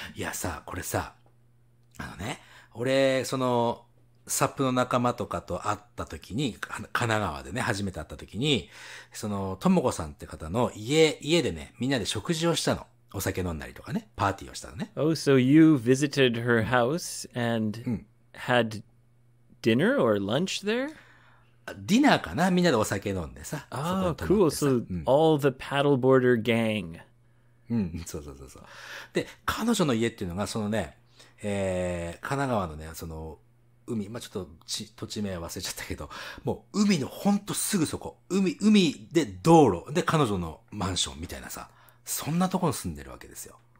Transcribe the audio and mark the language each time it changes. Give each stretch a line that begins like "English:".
Japanese: いやさ、これさ、あのね、俺、その、サップの仲間とかと会った時に、神奈川でね、初めて会った時に、その、ともこさんって方の家でね、みんなで食事をしたの。お酒飲んだりとかね、パーティーをしたのね。
English: Oh, so you visited her house and had dinner or lunch there?
Japanese: ディナーかな?みんなでお酒飲んでさ。
English: Oh, cool. So, all the paddleboarder gang.
Japanese: そう。で、彼女の家っていうのが、そのね、神奈川のね、その、海、まあ、ちょっと土地名忘れちゃったけど、もう海のほんとすぐそこ、海で道路で彼女のマンションみたいなさ、そんなところに住んでるわけですよ。